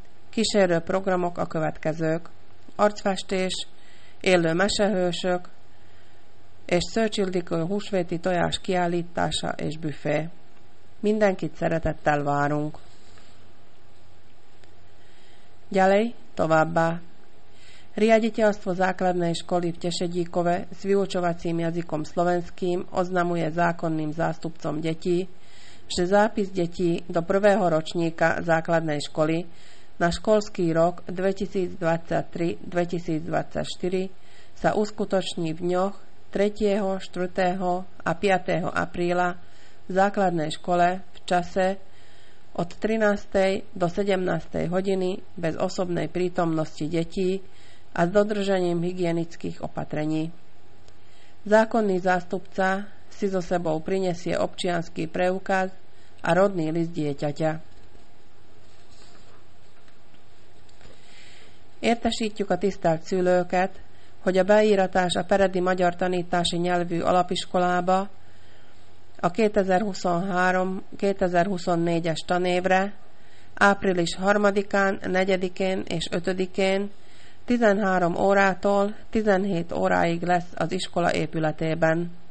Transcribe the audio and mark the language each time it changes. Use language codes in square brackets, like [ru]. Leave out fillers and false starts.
[hu] Kísérő programok a következők: arcfestés, élő mesehősök és Szőcs Ildikő húsvéti tojás kiállítása és büfé. Mindenkit szeretettel várunk. [sk] Ďalej, [hu] továbbá. [sk] Riaditeľstvo základnej školy v Tešedíkove s vyučovacím jazykom slovenským oznamuje zákonným zástupcom detí, že zápis detí do prvého ročníka základnej školy na školský rok 2023-2024 sa uskutoční v dňoch 3., 4. a 5. apríla v základnej škole v čase od 13. do 17. hodiny bez osobnej prítomnosti detí a s dodržením hygienických opatrení. Zákonný zástupca si so sebou prinesie občiansky preukaz a rodný list dieťaťa. [hu] Értesítjük a tisztelt szülőket, hogy a beíratás a peredi magyar tanítási nyelvű alapiskolába a 2023-2024-es tanévre április 3-án, 4-én és 5-én 13 órától 17 óráig lesz az iskola épületében.